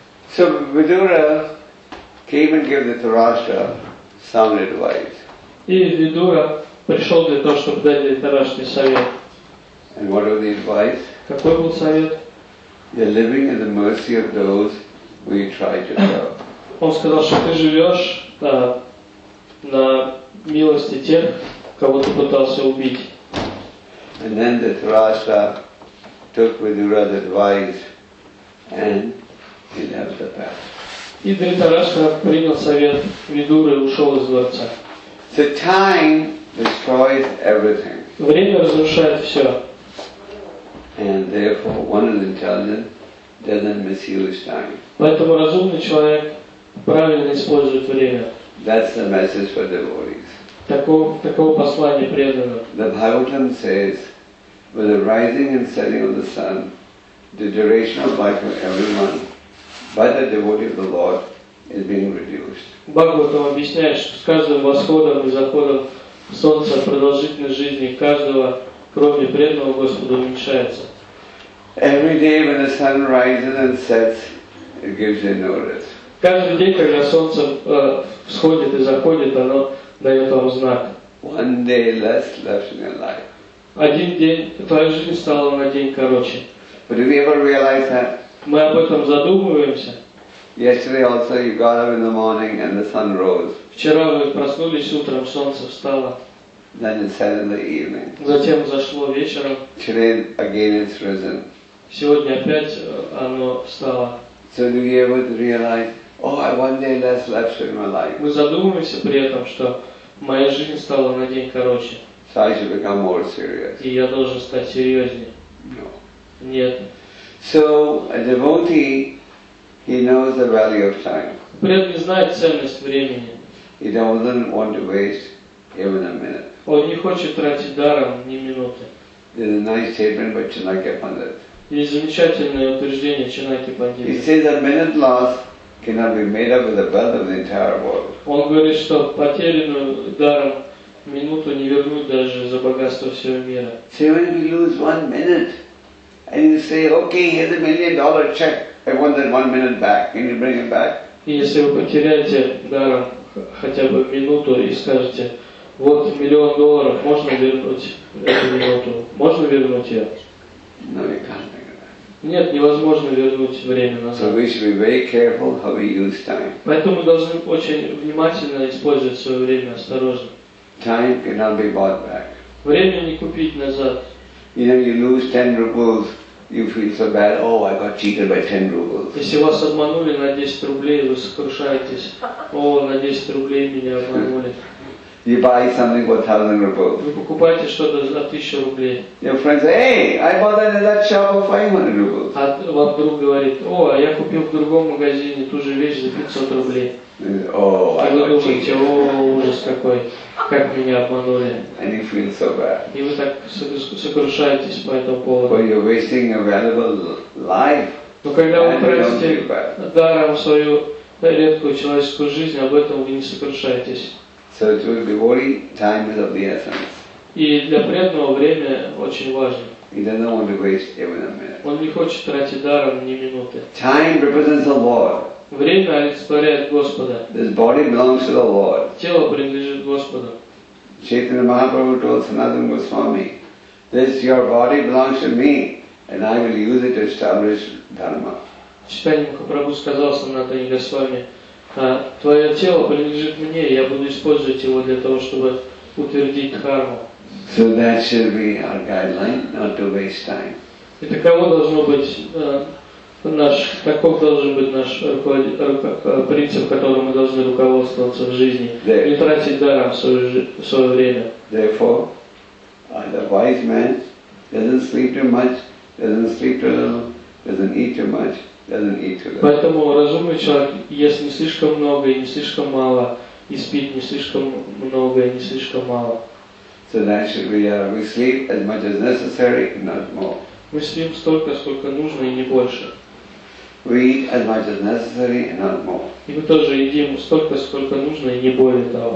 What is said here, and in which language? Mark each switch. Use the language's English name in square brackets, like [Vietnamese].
[English] So Vidura came and gave Dhritarashtra sound advice. [Russian] И Vidura пришел для того, чтобы дать Dhritarashtre совет. [English] And what are the advice? [Russian] Какой был совет? [English] You're living in the mercy of those we try to help. [Russian] Он сказал, что ты живешь на милости тех, кого ты пытался убить. [English] And then the Dhritarashtra took Vidura's advice and he left the palace. [Russian] И Дхритарашра принял совет Видуры и ушел из дворца. [English] So time destroys everything. [Russian] Время разрушает все. [English] And therefore one is intelligent, doesn't misuse time. [Russian] Поэтому разумный человек правильно использует время. [English] That's the message for devotees. [Russian] Такого послания преданного. [English] The Bhagavatam says, with the rising and setting of the sun, the duration of life of everyone by the devotee of the Lord is being reduced. [Russian] Бхагаватам объясняет, что с каждым восходом и заходом солнца продолжительность жизни каждого, кроме преданного Господа, уменьшается. [English] Every day when the sun rises and sets, it gives you notice. [Russian] Каждый день, когда солнце всходит и заходит, оно дает вам знак. [English] One day less left in your life. [Russian] Один день, твоя жизнь стала на день короче. [English] But do we ever realize that? [Russian] Мы об этом задумываемся. [English] Yesterday also you got up in the morning and the sun rose. [Russian] Вчера вы проснулись утром, солнце встало. [English] Then it set in the evening. [Russian] Затем зашло вечером. [English] Today again it's risen. [Russian] Сегодня опять оно встало. [English] So do we ever realize, oh, I one day less left in my life. [Russian] Мы задумываемся при этом, что моя жизнь стала на день короче. [English] So I should become more serious. [Russian] И я должен стать серьезнее. [English] No. [Russian] Нет. [English] So a devotee, he knows the value of time. [Russian] Преданный знает ценность времени. [English] He doesn't want to waste even a minute. [Russian] Он не хочет тратить даром ни минуты. [English] There's a nice statement by Chanakya Pandit. [Russian] Есть замечательное утверждение Чанаки Пандита. [English] He says a minute lost cannot be made up with the wealth of the entire world. [Russian] Он говорит, что потерянную даром минуту не вернуть даже за богатство всего мира. [English] So when you lose 1 minute. And you say, okay, here's $1 million check. I want that 1 minute back. Can you bring it back? [Russian] Если вы потеряете даром хотя бы минуту и скажете, вот $1 million, можно вернуть эту минуту? Можно вернуть ее? [English] No, you can't bring it back. [Russian] Нет, невозможно вернуть время назад. [English] So we should be very careful how we use time. [Russian] Поэтому мы должны очень внимательно использовать свое время, осторожно. [English] Time cannot be bought back. [Russian] Время не купить назад. [English] You know, you lose 10 rubles, you feel so bad. Oh, I got cheated by 10 rubles. [Russian] Если вас обманули на 10 рублей, вы сокрушаетесь. О, на 10 рублей меня обманули. [English] You buy something for 1,000 rubles. [Russian] Вы покупаете что-то за 1,000 рублей. [English] Your friend says, "Hey, I bought that in that shop for 500 rubles." [Russian] А ваш друг говорит, "О, я купил в другом магазине ту же вещь за 500 рублей." Oh, и вы думаете, о, ужас какой, как меня обманули. [English] And you feel so bad. [Russian] И вы так сокрушаетесь по этому поводу. [English] But you're wasting a valuable life. [Russian] Но когда вы тратите даром свою редкую человеческую жизнь, об этом вы не сокрушаетесь. [English] So to a devotee, time is of the essence. [Russian] И для преданного время очень важно. [English] He doesn't want to waste even a minute. [Russian] Он не хочет тратить даром ни минуты. [English] Time represents the Lord. [Russian] Время олицетворяет Господа. [English] This body belongs to the Lord. [Russian] Тело принадлежит Господу. [English] Chaitanya Mahaprabhu told Sanatana Goswami, this your body belongs to me and I will use it to establish dharma. [Russian] Chaitanya Mahaprabhu сказал Sanatana Goswami, твое тело принадлежит мне, я буду использовать его для того, чтобы утвердить дхарму. [English] So that should be our guideline, not to waste time. [Russian] И таково должно быть таков должен быть наш принцип, которым мы должны руководствоваться в жизни. Не тратить даром свое время. [English] Therefore, the wise man doesn't sleep too much, doesn't sleep too little, doesn't eat too much, doesn't eat too little. [Russian] Поэтому разумный человек ест не слишком много и не слишком мало, и спит не слишком много и не слишком мало. [English] So that should be we sleep as much as necessary, not more. [Russian] Мы спим столько, сколько нужно и не больше. [English] We eat as much as necessary and not more. [Russian] И мы тоже едим столько, сколько нужно, и не более того.